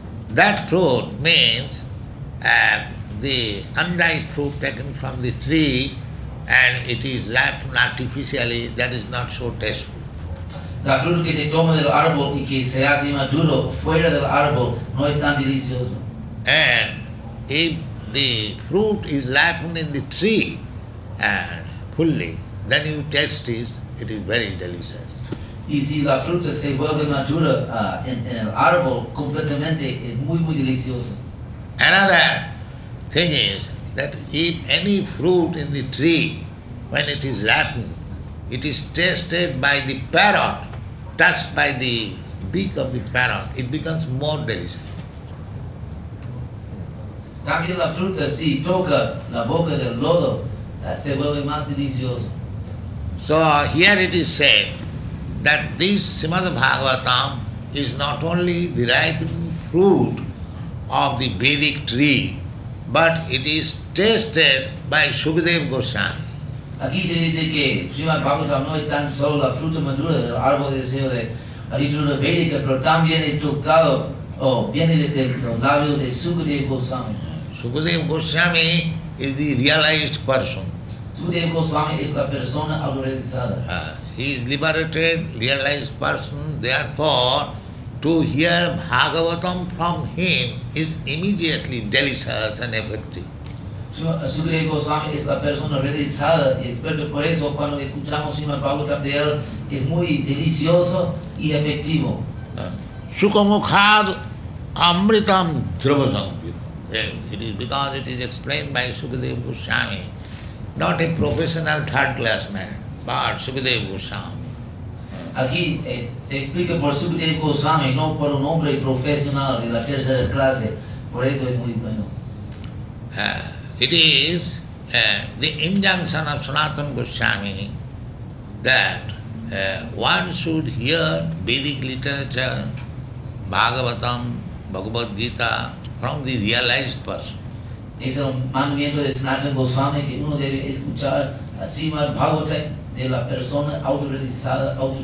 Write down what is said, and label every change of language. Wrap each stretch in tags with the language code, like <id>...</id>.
<en>That fruit means the unripe fruit taken from the tree and it is ripened artificially, that is not so tasteful.</en> <es>La fruta que se toma del árbol y que se hace maduro fuera del árbol no es tan delicioso.</es> <en>And if the fruit is ripened in the tree fully, then you taste it is very delicious.</en> <es>Y si la fruta se vuelve madura en el árbol completamente, es muy, muy delicioso.</es> <en>Another thing is that if any fruit in the tree, when it is ripened, it is tasted by the parrot, touched by the beak of the parrot, it becomes more delicious.</en> <es>También la fruta, si toca la boca del lodo, se vuelve más delicioso.</es> <en>So here it is said that this Srimad Bhagavatam is not only the ripened fruit of the Vedic tree, but it is tasted by Sukadev Goswami.</en> <es>Aquí se dice que Srimad Bhagavatam no es tan solo la fruta madura del árbol de deseo de Aritura Vedica, pero también es tocado o viene desde los labios de Sukadev Goswami.</es> <en>Sukadev Goswami is the realized person.</en> <es>Sukadev Goswami es la persona autorizada.</es> <en>He is liberated, realized person, therefore to hear Bhagavatam from him is immediately delicious and effective.</en> <es>Sukadev Goswami es la persona realizada, pero por eso cuando escuchamos Srimad Bhagavatam de él es muy delicioso y efectivo.</es> <sa>Sukamukhad amritam dhruvasankhitam.</sa> <en>It is because it is explained by Sukadev Goswami, not a professional third class man, but Sukadev Goswami.</en> <es>Aquí se explica por Sukadev Goswami, no por un hombre profesional de la tercera clase. Por eso es muy bueno.</es> <en>It is the injunction of Sanatana Goswami that one should hear Vedic literature, Bhagavatam, Bhagavad Gita, from the realized person.</en> <es>Es el mandamiento de Sanatana Goswami que uno debe escuchar a Srimad Bhagavatam de la persona autorizada.</es>